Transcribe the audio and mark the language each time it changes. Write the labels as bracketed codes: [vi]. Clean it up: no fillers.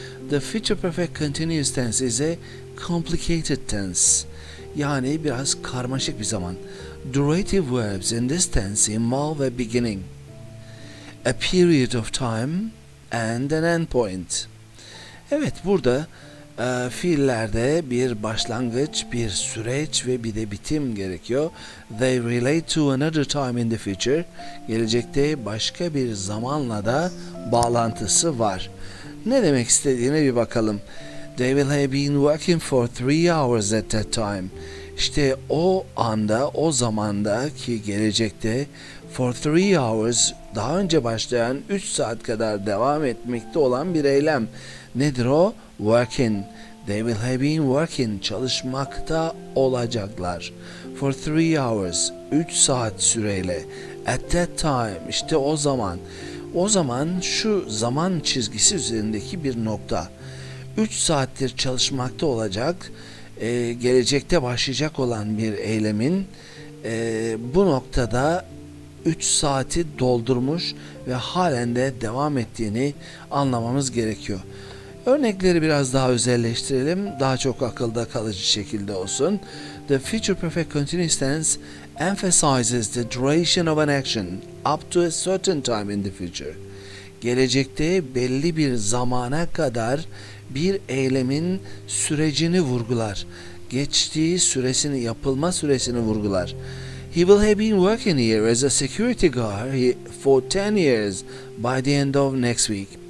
[en] The future perfect continuous tense is a complicated tense. [tr] Yani biraz karmaşık bir zaman. [en] Durative verbs in this tense involve a beginning, a period of time and an end point. [tr] Evet, burada fiillerde bir başlangıç, bir süreç ve bir de bitim gerekiyor. [en] They relate to another time in the future. [tr] Gelecekte başka bir zamanla da bağlantısı var. Ne demek istediğine bir bakalım. [en] They will have been working for 3 hours at that time. [tr] İşte o anda, o zamanda ki gelecekte [en] for 3 hours [tr] daha önce başlayan 3 saat kadar devam etmekte olan bir eylem. Nedir o? [en] Working. They will have been working. [tr] Çalışmakta olacaklar. [en] For 3 hours. [tr] 3 saat süreyle. [en] At that time. [tr] İşte o zaman. O zaman şu zaman çizgisi üzerindeki bir nokta. 3 saattir çalışmakta olacak, gelecekte başlayacak olan bir eylemin bu noktada 3 saati doldurmuş ve halen de devam ettiğini anlamamız gerekiyor. Örnekleri biraz daha özelleştirelim, daha çok akılda kalıcı şekilde olsun. [en] The future perfect continuous tense emphasizes the duration of an action up to a certain time in the future. [tr] Gelecekte belli bir zamana kadar bir eylemin sürecini vurgular. Geçtiği süresini, yapılma süresini vurgular. [en] He will have been working here as a security guard for 10 years by the end of next week.